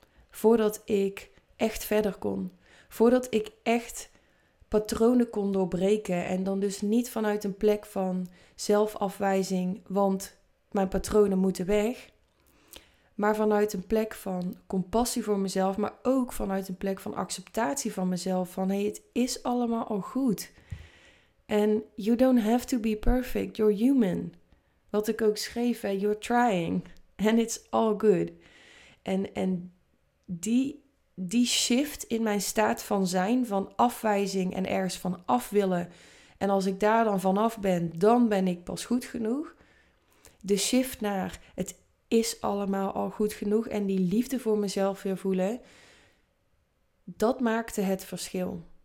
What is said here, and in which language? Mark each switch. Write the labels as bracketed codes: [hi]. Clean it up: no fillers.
[nl] Voordat ik echt verder kon. Voordat ik echt patronen kon doorbreken. En dan dus niet vanuit een plek van zelfafwijzing, want mijn patronen moeten weg, maar vanuit een plek van compassie voor mezelf, maar ook vanuit een plek van acceptatie van mezelf, van hey, het is allemaal al goed. [en] En you don't have to be perfect, you're human. [nl] Wat ik ook schreef, [en] you're trying, and it's all good. [nl] En die shift in mijn staat van zijn, van afwijzing en ergens van af willen, en als ik daar dan vanaf ben, dan ben ik pas goed genoeg. De shift naar het is allemaal al goed genoeg en die liefde voor mezelf weer voelen, dat maakte het verschil.